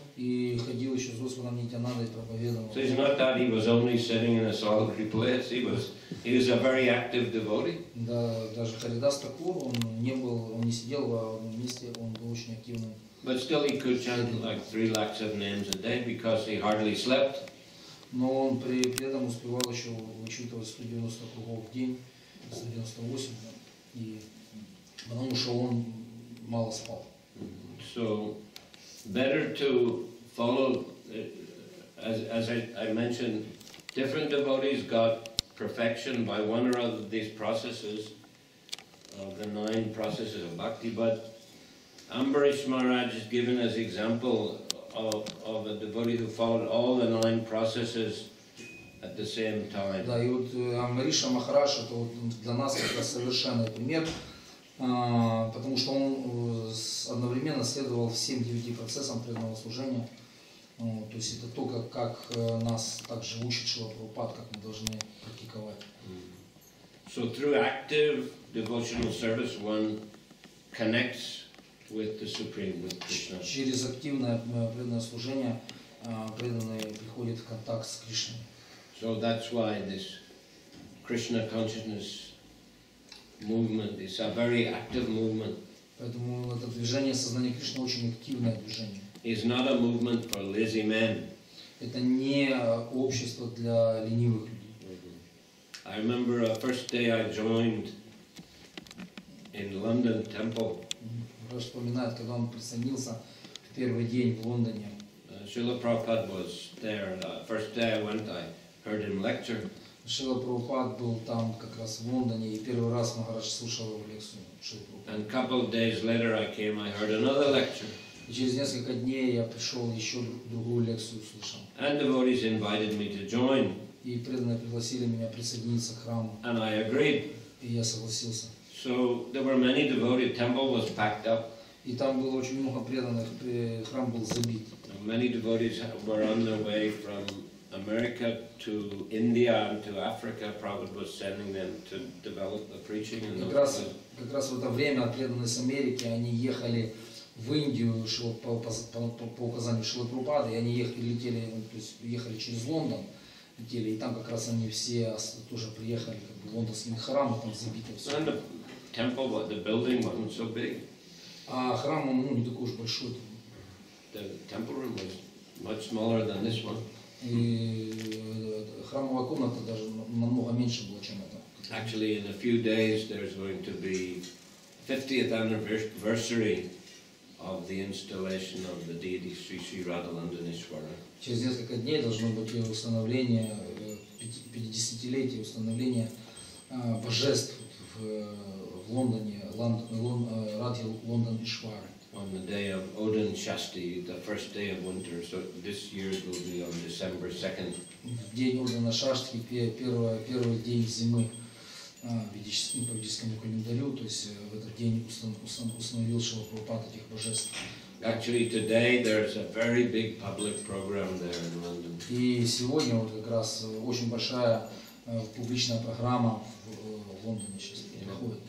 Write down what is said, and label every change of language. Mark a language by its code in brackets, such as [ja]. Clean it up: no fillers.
[ru] И ходил еще с Господом Нитянандой проповедовал. [en] So it's not that he was only sitting in a solitary place. He was a very active devotee. [ru] Да, даже Харидас Такур он не сидел в одном месте, он был очень активным. [en] But still, he could chant like 3 lakhs of names a day because he hardly slept. [ru] Но он при этом успевал еще вычитывать 190 кругов в день, 198 и потому что он мало спал. [en] So better to follow, as I mentioned, different devotees got perfection by one or other of these processes, of the 9 processes of bhakti. But Ambarish Maharaj is given as example of a devotee who followed all the 9 processes at the same time. [ru] Да, и вот Амбариша Махараш это вот для нас это совершенный пример. Потому что он одновременно следовал всем 9 процессам преданного служения. То есть это то, как нас также учит Шрила Прабхупада, как мы должны практиковать. [en] So through active devotional service one connects with the Supreme, with Krishna. [ru] Через активное преданное служение преданный приходит в контакт с Кришной. [en] So that's why this Krishna consciousness movement. It's a very active movement. [ru] Поэтому это движение сознания Кришны очень активное движение. [en] It's not a movement for lazy men. [ru] Это не общество для ленивых людей. [en] I remember the first day I joined in London Temple. [ru] Раз вспоминает, когда он присоединился в первый день в Лондоне. [en] Srila Prabhupada was there. The first day I went, I heard him lecture. [ru] Шрила Прабхупад был там как раз в Лондоне и первый раз Махарадж слушал его лекцию. [en] And a couple of days later I came, I heard another lecture. [ru] И через несколько дней я пришел еще другую лекцию услышал. [en] And devotees invited me to join. [ru] И преданные пригласили меня присоединиться к храму. [en] And I agreed. [ru] И я согласился. [en] So there were many devotees. Temple was packed up. [ru] И там было очень много преданных, храм был забит. [en] Many devotees were on their way from America to India and to Africa. Prabhupada was sending them to develop the preaching in those places. [ru] Как раз в это время преданные с Америки они ехали в Индию, шло по указанию Шрилы Прабхупады, и они ехали через Лондон, летели, и там как раз они все тоже приехали, как бы лондонский храм там забито все. [en] And the temple, what the building wasn't so big. [ru] А храм он не такой уж большой. [en] The temple room was much smaller than this one. [ru] И храмовая комната даже намного меньше была, чем это. [en] Actually, in a few days there's going to be 50th anniversary of the installation of the deity Sri Sri Radha Landanishwara. [ru] Через несколько дней должно быть установление 50-летие установления божеств в Лондоне, Радхи Ланданишвара. [en] On the day of Odin Shasti, the first day of winter, so this year it will be on December 2nd. [ru] День Одина Шашти, первый день зимы, по ведическому календарю, то есть в этот день установил Шрила Прабхупада этих божеств. [en] Actually, today there's a very big public program there in London. [ru] И сегодня вот как раз очень большая публичная программа в Лондоне сейчас проходит.